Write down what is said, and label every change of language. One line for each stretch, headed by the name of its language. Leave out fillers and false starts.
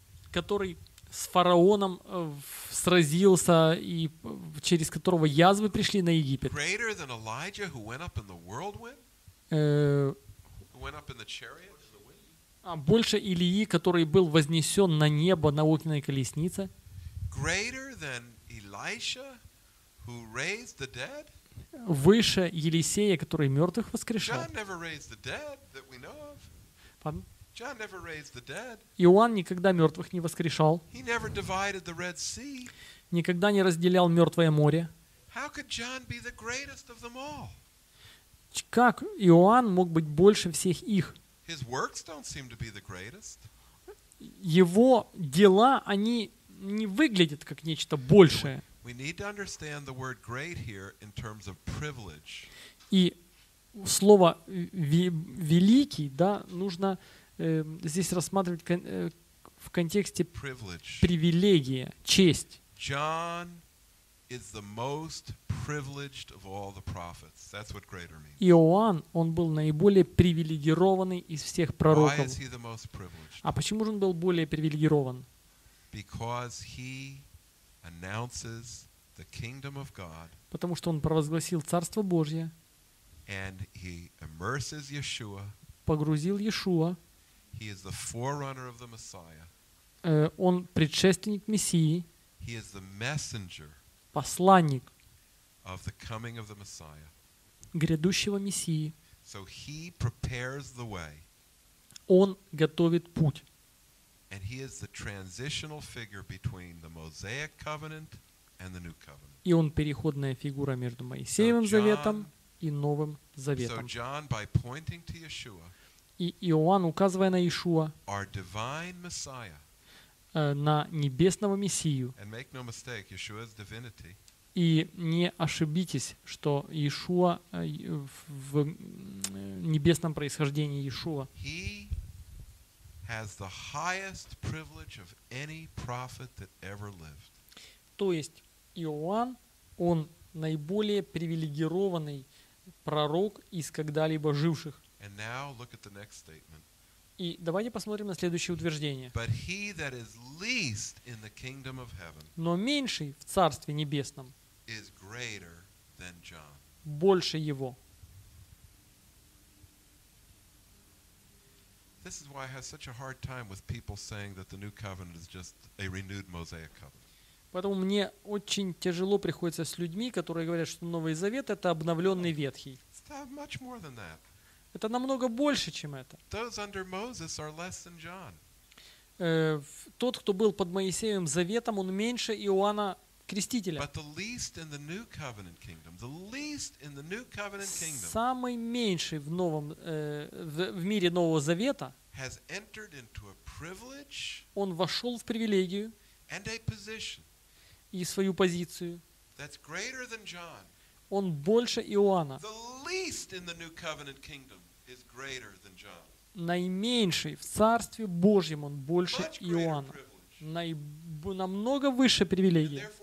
Russian: Который с фараоном сразился, и через которого язвы пришли на Египет.
English: Greater than Elijah, who went up in the whirlwind? Who went up in the chariot?
Russian: А больше Илии, который был вознесен на небо на огненной колеснице?
English: Greater than Elisha, who raised the dead?
Russian: Выше Елисея, который мертвых воскрешал?
English: John never raised the dead that we know of. Pardon? John never raised the dead.
Russian: Иоанн никогда мертвых не воскрешал.
English: He never divided the Red Sea.
Russian: Никогда не разделял мертвое море.
English: How could John be the greatest of them all?
Russian: Как Иоанн мог быть больше всех их?
English: His works don't seem to be the greatest.
Russian: Его дела, они не выглядят как нечто большее.
English: We need to understand the word great here in terms of privilege.
Russian: И слово великий, да, нужно здесь рассматривать в контексте привилегия, честь.
English: John is the most privileged of all the prophets. That's what greater means.
Russian: Иоанн, он был наиболее привилегированный из всех пророков.
English: Why is he the most privileged?
Russian: А почему же он был более привилегирован?
English: Because he announces the kingdom of God.
Russian: Потому что он провозгласил Царство Божье.
English: And he immerses Yeshua.
Russian: Погрузил Иешуа.
English: He is the forerunner of the Messiah.
Russian: Он предшественник Мессии.
English: He is the messenger.
Russian: Посланник
English: of the coming of the Messiah.
Russian: Грядущего Мессии.
English: So he prepares the way.
Russian: Он готовит путь.
English: And he is the transitional figure between the Mosaic covenant and the new covenant.
Russian: И он переходная фигура между Моисеевым заветом и Новым заветом.
English: So John, by pointing to Yeshua,
Russian: и Иоанн, указывая на Иешуа,
English: our divine Messiah,
Russian: на небесного Мессию.
English: And make no mistake, Yeshua's divinity.
Russian: И не ошибитесь, что Иешуа в небесном происхождении Иешуа.
English: He has the highest privilege of any prophet that ever lived.
Russian: То есть Иоанн, он наиболее привилегированный пророк из когда-либо живших.
English: And now look at the next statement.
Russian: И давайте посмотрим на следующее утверждение.
English: But he that is least in the kingdom of heaven.
Russian: Но меньший в Царстве Небесном.
English: Is greater than John.
Russian: Больше его.
English: This is why I have such a hard time with people saying that the new covenant is just a renewed Mosaic covenant.
Russian: Поэтому мне очень тяжело приходится с людьми, которые говорят, что Новый Завет это обновленный Ветхий.
English: It's not much more than that.
Russian: Это намного больше, чем это.
English: Those under Moses are less than John.
Russian: Тот, кто был под Моисеевым заветом, он меньше Иоанна Крестителя.
English: But the least in the new covenant kingdom, the least in the new covenant kingdom.
Russian: Самый меньший в новом в мире Нового Завета.
English: Has entered into a privilege.
Russian: Он вошел в привилегию.
English: And a position.
Russian: И свою позицию.
English: That's greater than John.
Russian: Он больше Иоанна.
English: The least in the new covenant kingdom is greater than John.
Russian: Наименьший в Царстве Божьем он больше Иоанна. Намного выше привилегии.